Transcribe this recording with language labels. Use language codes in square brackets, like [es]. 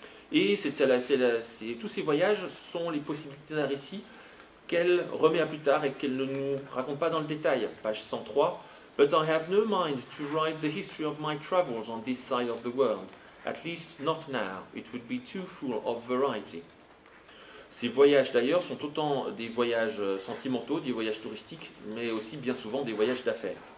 [fr] Et tous ces voyages sont les possibilités d'un récit qu'elle remet à plus tard et qu'elle ne nous raconte pas dans le détail. Page 103. [en] But I have no mind to write the history of my travels on this side of the world. At least not now. It would be too full of variety. [fr] Ces voyages d'ailleurs sont autant des voyages sentimentaux, des voyages touristiques, mais aussi bien souvent des voyages d'affaires.